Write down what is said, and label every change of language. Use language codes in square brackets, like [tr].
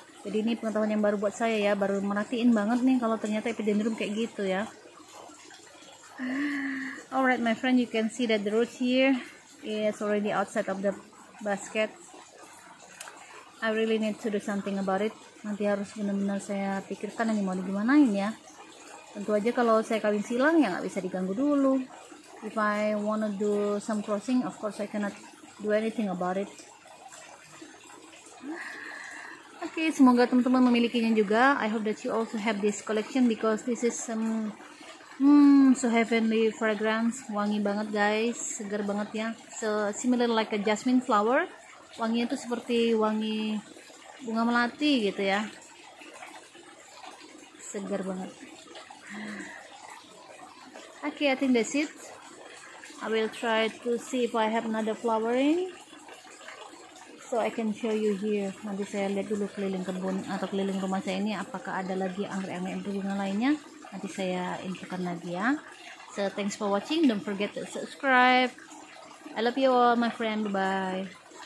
[id] Jadi ini pengetahuan yang baru buat saya ya, baru merhatiin banget nih kalau ternyata epidendrum kayak gitu ya. [en] Alright my friend, you can see that the roots here is already outside of the basket. I really need to do something about it. [id] Nanti harus benar-benar saya pikirkan ini mau digimanain ya. Tentu aja kalau saya kawin silang ya nggak bisa diganggu dulu. [en] If I wanna do some crossing, of course I cannot do anything about it. [id] Okay, semoga teman-teman memilikinya juga. [en] I hope that you also have this collection because this is some so heavenly fragrance. [id] Wangi banget guys, segar banget ya. [en] So similar like a jasmine flower, [id] wanginya tuh seperti wangi bunga melati gitu ya. Segar banget. [en] Okay, I think that's it. I will try to see if I have another flowering so I can show you here. [id] Nanti saya lihat dulu keliling kebun atau keliling rumah saya ini apakah ada lagi anggrek yang berbunga lainnya. Nanti saya infokan lagi ya. [en] So thanks for watching, don't forget to subscribe. I love you all my friend, bye bye.